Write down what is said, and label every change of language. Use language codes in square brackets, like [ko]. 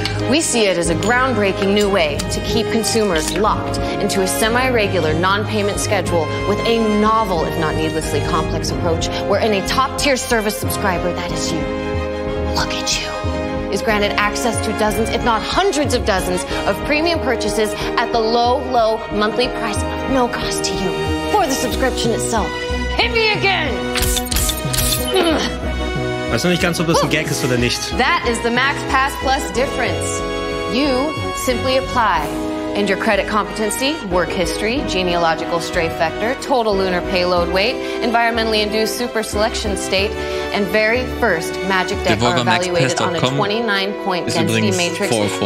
[en] We see it as a groundbreaking new way to keep consumers locked into a semi-regular non-payment schedule with a novel, if not needlessly complex, approach wherein a top-tier service subscriber, that is you, look at you, is granted access to dozens, if not hundreds of dozens, of premium purchases at the low, low monthly price of no cost to you for the subscription itself. Hit me again! [de] Weiß noch nicht ganz, ob das ein Gag ist oder nicht. [en] That is the Max Pass Plus difference. You simply apply. And your credit competency, work history, genealogical stray factor, total lunar payload weight, environmentally induced super selection state, and very first magic deck are evaluated on a 29-point density matrix. 4-4.